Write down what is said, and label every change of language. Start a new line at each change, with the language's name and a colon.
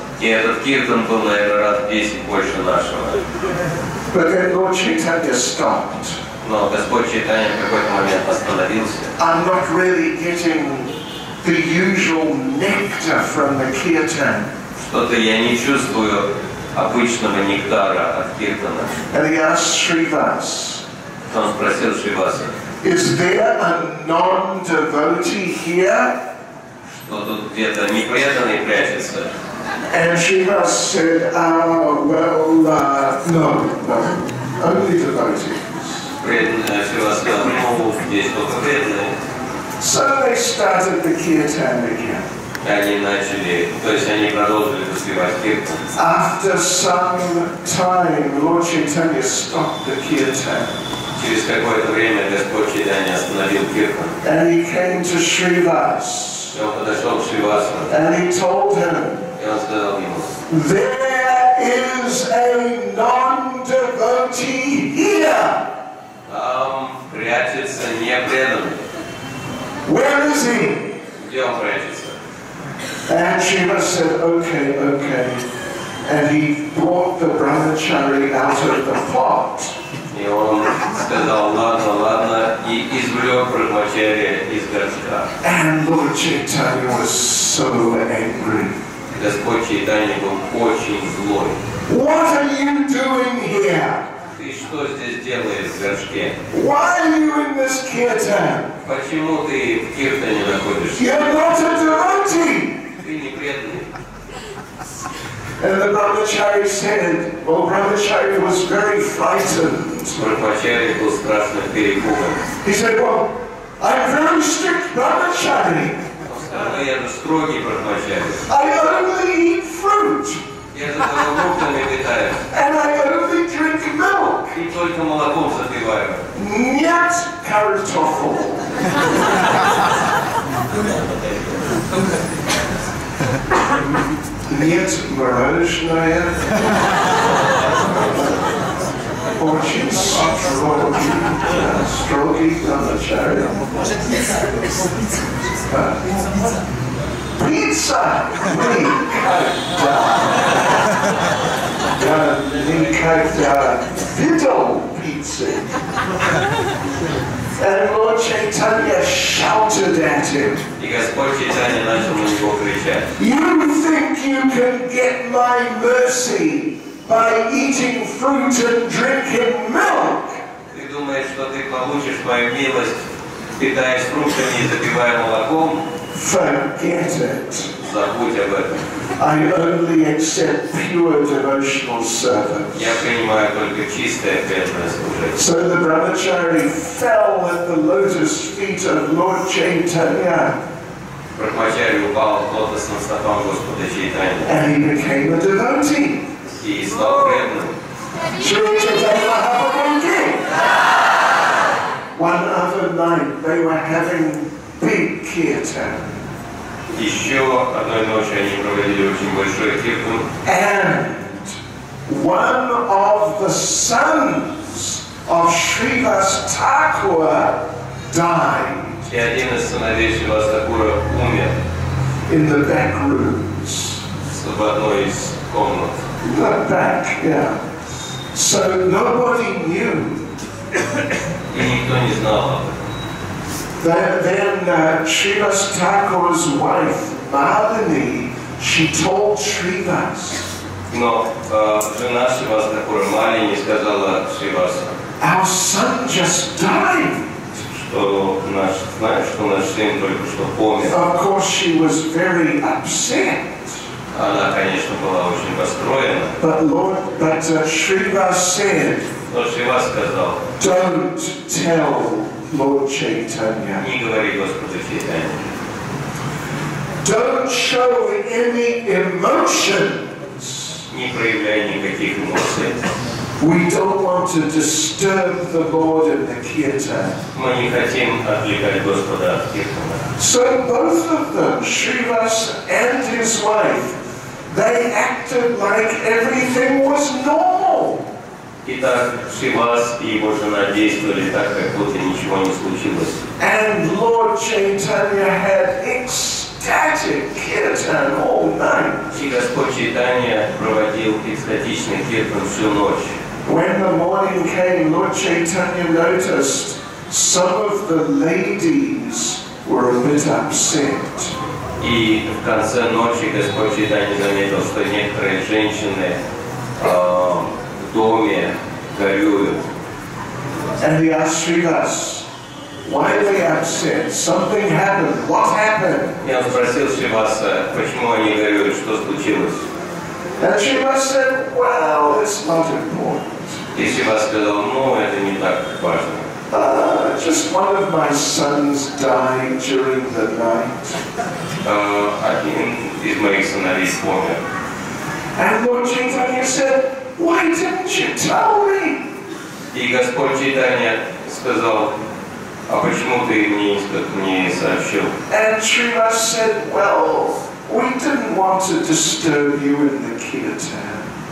Russian: И этот киртан был, наверное, раз 10 больше нашего.
English: But then Lord Chaitanya stopped.
Russian: Но Господь Чайтанья в какой-то момент остановился.
English: I'm not really getting the usual nectar from the kirtan.
Russian: Что-то я не чувствую обычного нектара от киртана.
English: And he asked Shrivas.
Russian: Он спросил Шриваса.
English: Is there a non-devotee here?
Russian: Что тут где-то непреданный прячется?
English: And Shrivas said, no, only devotees.
Russian: Преданный Шрива сказал, ну, здесь только преданные.
English: So they started the kirtan again.
Russian: Они начали, то есть они продолжили распевать киртан.
English: After some time, Lord Chaitanya stopped the kirtan.
Russian: Через какое-то время Господь Чайтанья остановил киртан.
English: And he came to Шривас.
Russian: И он подошел к Шривасу.
English: And he told him.
Russian: И он сказал ему.
English: There is a non-devotee here.
Russian: Там прячется непреданный.
English: Where is he?
Russian: Где он прячется?
English: And Shiva said, okay. And he brought the brahmachari out of the pot.
Russian: И он сказал, ладно, и извлек брахмачари из горшка.
English: And Lord Chaitanya was so angry.
Russian: Господь Чайтанья был очень злой.
English: What are you doing here?
Russian: Ты что здесь делаешь в горшке?
English: Why are you in this kirtan?
Russian: Почему ты в киртане находишься?
English: You're not a devotee.
Russian: Ты не преданный.
English: And the brahmachari said, well, brahmachari was very frightened.
Russian: Брахмачари был страшно перепуган.
English: He said, well, I'm very strict brahmachari.
Russian: Я же строгий брахмачари.
English: I only eat fruit.
Russian: Я за фруктами питаюсь.
English: And I only drink milk.
Russian: И только молоком запиваю. Нет, картофу. Нет, мороженое. Очень строгий брахмачари. Пицца! Никогда! Я никогда видел пиццу!
English: And Lord Chaitanya shouted at him.
Russian: И Господь Чайтанья начал на него кричать.
English: You think you can get my mercy by eating fruit and drinking milk?
Russian: Ты думаешь, что ты получишь мою милость, питаясь фруктами и запивая молоком?
English: Forget it.
Russian: Забудь об этом.
English: I only accept pure devotional service.
Russian: Я принимаю только чистое преданное служение.
English: So the brahmachari fell at the lotus feet of Lord Chaitanya.
Russian: Брахмачарья упал к лотосным стопам Господа Чайтанья.
English: And he became a devotee.
Russian: И стал преданным.
English: Sri Chaitanya Mahaprabhu ki. One other night they were having big kirtan.
Russian: Еще одной ночью они проводили очень большой киртан.
English: And one of the sons of Sri Vas Thakura died.
Russian: И один из сыновей Шри Вас Такура умер.
English: In the back rooms.
Russian: В одной из комнат.
English: The back, yeah. So nobody knew.
Russian: И никто не знал.
English: Then Srivas Thakur's wife, Malini, she told Srivas.
Russian: Но жена Srivas Thakura, Malini, сказала Srivasa.
English: Our son just died.
Russian: Что наш, знаешь, что наш сын только что помер.
English: Of course she was very upset.
Russian: Она, конечно, была очень расстроена.
English: Srivas said,
Russian: но Шривас сказал,
English: don't tell Lord Chaitanya.
Russian: Не говори Господу Чайтанья.
English: Don't show any emotions.
Russian: Не проявляй никаких эмоций.
English: We don't want to disturb the Lord and the Kirtan.
Russian: Мы не хотим отвлекать Господа от Киртана.
English: So both of them, Srivas and his wife, they acted like everything was normal.
Russian: Итак, Шивас и его жена действовали так, как будто ничего не случилось.
English: And Lord Chaitanya had ecstatic kirtan all night.
Russian: И Господь Чайтанья проводил экстатичный киртан всю ночь.
English: When the morning came, Lord Chaitanya noticed some of the ladies were a bit upset.
Russian: И в конце ночи Господь Чайтанья заметил, что некоторые женщины в доме горюют.
English: And he asked Srivas, why are they upset? Something happened. What happened?
Russian: И он спросил Шриваса, почему они горюют, что случилось?
English: And Srivas said, well, it's not important.
Russian: И Шривас сказал, ну, это не так важно.
English: Just one of my sons died during the night.
Russian: Один из моих сыновей помер.
English: And Lord Chaitanya said, why didn't you tell me?
Russian: И Господь Чайтанья сказал, а почему ты мне не сообщил?
English: And Srivas said, well, we didn't want to disturb you in the kirtan.